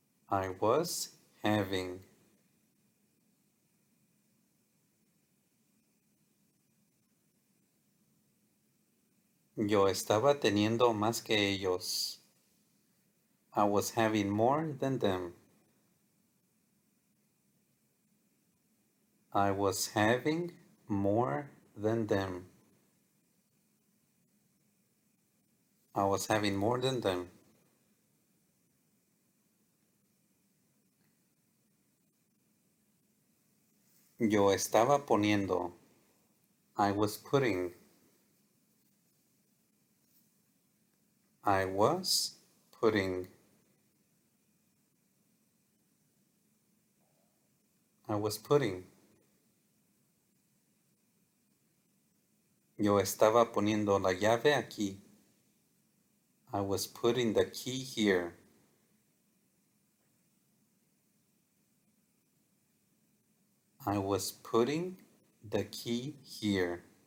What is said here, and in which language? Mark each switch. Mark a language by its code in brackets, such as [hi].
[en] I was having. [es] Yo estaba teniendo más que ellos. [en] I was having more than them. I was having more than them. I was having more than them. [es] Yo estaba poniendo. [en] I was putting. I was putting. I was putting. [es] Yo estaba poniendo la llave aquí. [en] I was putting the key here. I was putting the key here.